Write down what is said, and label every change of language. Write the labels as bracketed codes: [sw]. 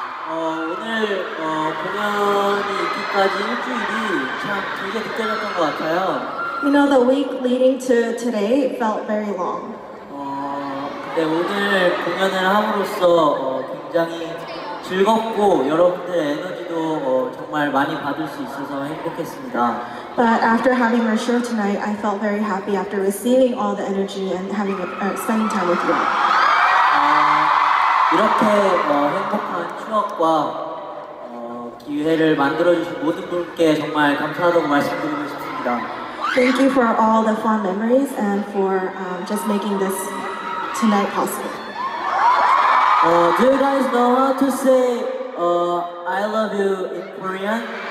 [ko] 오늘 공연이 있기까지 일주일이 참 길게 느껴졌던 것 같아요. [en] You know, the week leading to today felt very long. [ko] 근데 오늘 공연을 함으로써 굉장히 즐겁고 여러분들의 에너지도 정말 많이 받을 수 있어서 행복했습니다. [en] But after having our show tonight, I felt very happy after receiving all the energy and having spending time with you. [ko] 이렇게 행복한 추억과 기회를 만들어 주신 모든 분께 정말 감사하다고 말씀드리고 싶습니다. [en] Thank you for all the fun memories and for just making this tonight possible. Do you guys know how to say I love you in Korean?